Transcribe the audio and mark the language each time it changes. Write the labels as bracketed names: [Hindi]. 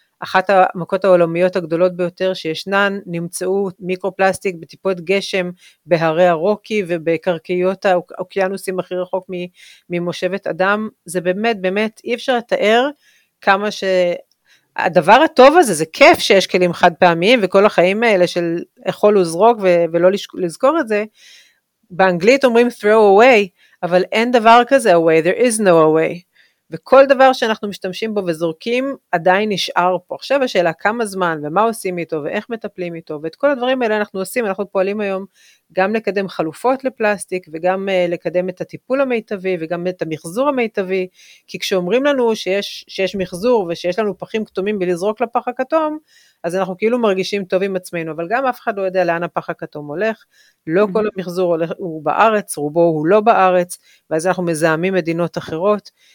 [Hebrew] אחת המכות העולמיות הגדולות ביותר שישנן, נמצאו מיקרופלסטיק בטיפות גשם בהרי הרוקי ובקרקעיות האוקיינוסים הכי רחוק ממושבת אדם. זה באמת, באמת, אי אפשר לתאר כמה ש... הדבר הטוב הזה, זה כיף שיש כלים חד פעמיים וכל החיים האלה של אכול וזרוק ולא לזכור את זה. באנגלית אומרים [English] throw away, [Hebrew] אבל אין דבר כזה away, [English] there is no away. [Hebrew] וכל דבר שאנחנו משתמשים בו וזורקים, עדיין נשאר פה. עכשיו השאלה כמה זמן, ומה עושים איתו, ואיך מטפלים איתו, ואת כל הדברים האלה אנחנו עושים, אנחנו פועלים היום גם לקדם חלופות לפלסטיק, וגם לקדם את הטיפול המיטבי, וגם את המחזור המיטבי, כי כשאומרים לנו שיש מחזור, ושיש לנו פחים כתומים בלזרוק לפח הכתום, אז אנחנו כאילו מרגישים טוב עם עצמנו, אבל גם אף אחד לא יודע לאן הפח הכתום הולך, לא כל המחזור הולך, הוא בארץ, רובו הוא לא בארץ, ואז אנחנו מזהמים מדינות אחרות.